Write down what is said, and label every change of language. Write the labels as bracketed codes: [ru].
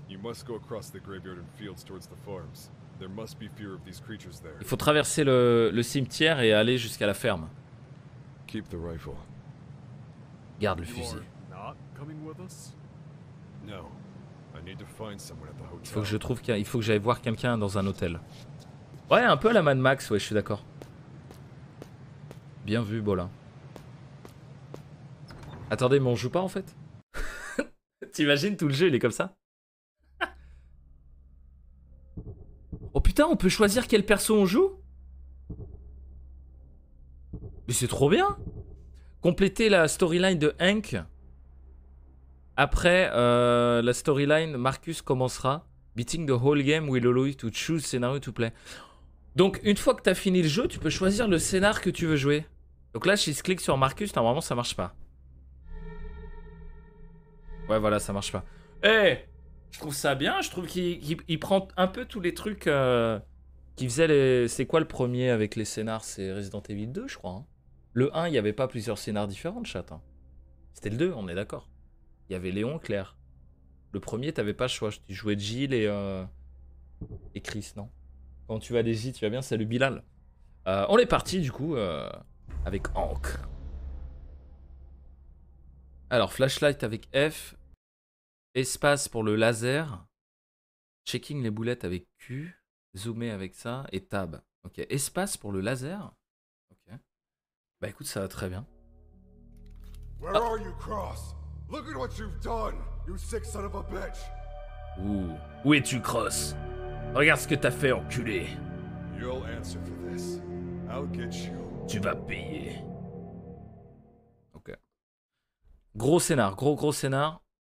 [en] You must go across the graveyard and fields towards the farms. There must be fear of these creatures there. [fr] Il faut traverser le cimetière et aller jusqu'à la ferme. [en] Keep the rifle. [fr] Garde le fusil. [en] You are not coming with us? No. I need to find someone at the hotel. [fr] Il faut que j'aille voir quelqu'un dans un hôtel. Ouais, un peu à la Mad Max, ouais, je suis d'accord. Bien vu, Bolin. Attendez, mais on joue pas en fait? T'imagines, tout le jeu, il est comme ça? Oh putain, on peut choisir quel perso on joue? Mais c'est trop bien! Compléter la storyline de Hank. Après la storyline, Marcus commencera. [en] Beating the whole game will allow you to choose scenario to play. [fr] Donc, une fois que t'as fini le jeu, tu peux choisir le scénar que tu veux jouer. Donc là, si je clique sur Marcus, normalement ça marche pas. Ouais, voilà, ça marche pas. Hey! Je trouve ça bien. Je trouve qu'il prend un peu tous les trucs Qui faisait les... C'est quoi le premier avec les scénars? C'est Resident Evil 2, je crois. Hein. Le 1, il n'y avait pas plusieurs scénars différents, chat. Hein. C'était le 2, on est d'accord. Il y avait Léon, Claire. Le premier, t'avais pas le choix. Tu jouais Jill et Chris, non? Quand tu vas les tu vas bien, salut Bilal. On est parti, du coup, avec Hank. Alors, flashlight avec F. Espace pour le laser. Checking les boulettes avec Q. Zoomer avec ça. Et tab. Ok, espace pour le laser. Ok. Bah écoute, ça va très bien. [en] Where ah. are you, Cross? Look at what you've done, you sick son of a bitch. [fr] Ouh. Où es-tu, Cross? Regarde ce que t'as fait, enculé. [en] You'll answer for this. I'll get you. [fr] Tu vas payer. Ok. Gros scénar, gros scénar.